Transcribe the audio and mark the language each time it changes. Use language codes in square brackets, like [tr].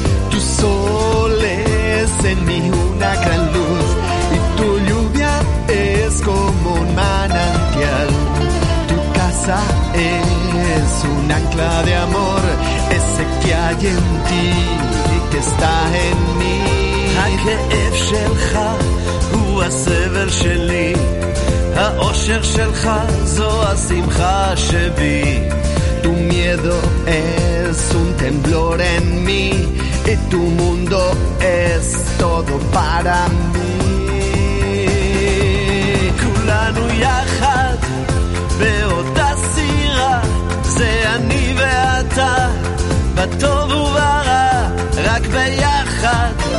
[es] Tu sol es en mi una gran luz, y tu lluvia es como un manantial. Tu casa es un ancla de amor, ese que hay en ti y que está en mí. [he] הכאב שלך הוא הסבל שלי, האושר שלך זו השמחה שבי. [es] Tu miedo es un temblor en mí, y tu mundo es todo para mí. [he] כולנו יחד באותה סירה, זה אני ואתה, בטוב וברע, רק ביחד.